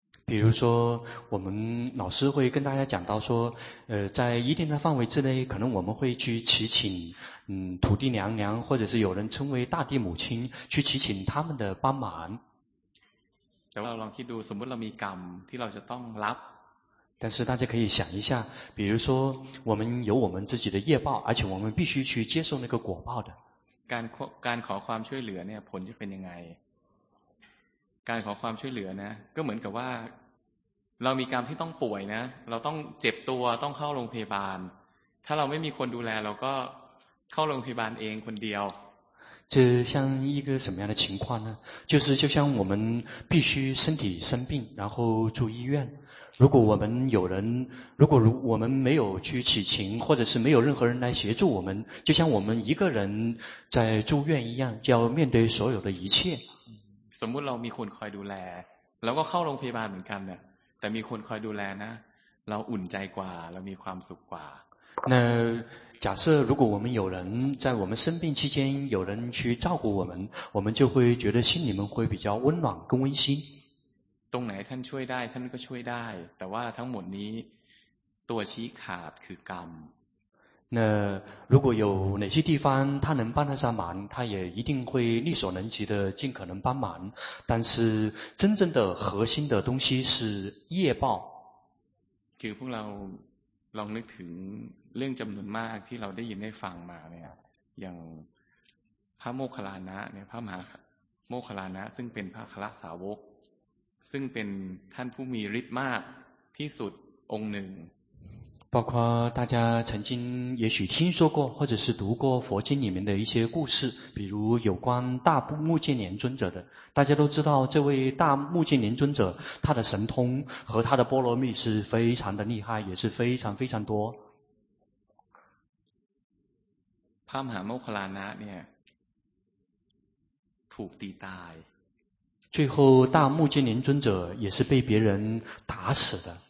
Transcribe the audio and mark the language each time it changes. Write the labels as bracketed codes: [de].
[zh] 比如说我们老师会跟大家讲到说在一定的范围之内可能我们会去祈请土地娘娘或者是有人称为大地母亲去祈请他们的帮忙 [th] แต่เราลองคิดดูสมมติเรามีกรรมที่เราจะต้องรับ [zh] 但是大家可以想一下比如说我们有我们自己的业报而且我们必须去接受那个果报的 [th] การขอความช่วยเหลือเนี่ยผลจะเป็นยังไงการขอความช่วยเหลือนะก็เหมือนกับว่าเรามีกรรมที่ต้องป่วยนะเราต้องเจ็บตัวต้องเข้าโรงพยาบาลถ้าเราไม่มีคนดูแลเราก็เข้าโรงพยาบาลเองคนเดียว [zh] 这像一个什么样的情况呢就是就像我们必须身体生病然后住医院如果我们有人如果我们没有去祈请或者是没有任何人来协助我们就像我们一个人在住院一样就要面对所有的一切 [th] สมมติเรามีคนคอยดูแลแล้วก็เข้าโรงพยาบาลเหมือนกันเนี่ยแต่มีคนคอยดูแลนะเราอุ่นใจกว่าเรามีความสุขกว่า [zh] 那假设如果我们有人在我们生病期间有人去照顾我们我们就会觉得心里面会比较温暖跟温馨 [th] ตรงไหนท่านช่วยได้ท่านก็ช่วยได้แต่ว่าทั้งหมดนี้ตัวชี้ขาดคือกรรม [zh] 那如果有哪些地方他能帮得上忙他也一定会力所能及的尽可能帮忙但是真正的核心的东西是业报 [th] คือพวกเราลองนึกถึงเรื่องจำนวนมากที่เราได้ยินได้ฟังมาเนี่ยอย่างพระโมคคัลลานะเนี่ยพระมหาโมคคัลลานะซึ่งเป็นพระคละสาวกซึ่งเป็นท่านผู้มีฤทธิ์มากที่สุดองค์หนึ่ง [zh] 包括大家曾经也许听说过或者是读过佛经里面的一些故事比如有关大目犍连尊者的大家都知道这位大目犍连尊者他的神通和他的波罗蜜是非常的厉害也是非常非常多 [th] พระมหาโมคคัลลานะเนี่ยถูกตีตาย [zh] 最后大目犍连尊者也是被别人打死的